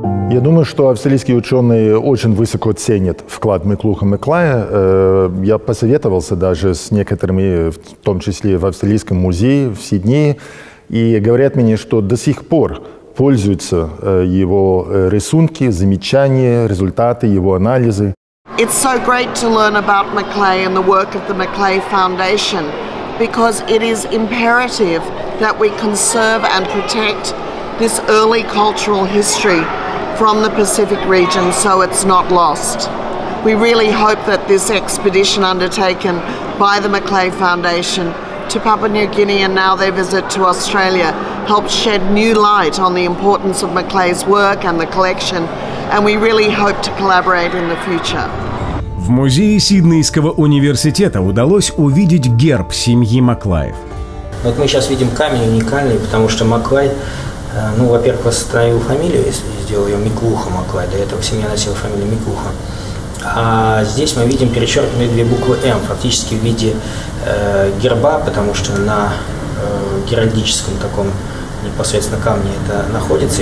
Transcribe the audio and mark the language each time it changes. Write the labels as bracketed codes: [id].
[ru] Я думаю, что австралийские ученые очень высоко ценят вклад Миклуха Маклая. Я посоветовался даже с некоторыми, в том числе в Австралийском музее в Сиднее, и говорят мне, что до сих пор пользуются его рисунки, замечания, результаты его анализы. [en] It's so great to learn about Maclay and the work of the Maclay Foundation, because it is imperative that we conserve and protect this early cultural history from the Pacific region, so it's not lost. We really hope that this expedition undertaken by the Maclay Foundation to Papua New Guinea and now their visit to Australia helps shed new light on the importance of Maclay's work and the collection, and we really hope to collaborate in the future. [ru] В музее Сиднейского университета удалось увидеть герб семьи Маклаев. Вот мы сейчас видим камень уникальный, потому что Маклай, ну, во-первых, восстановил фамилию, если сделал ее Миклуха Маклай. До этого семья носила фамилию Миклуха. А здесь мы видим перечеркнутые две буквы М, фактически в виде герба, потому что на геральдическом таком непосредственно камне это находится.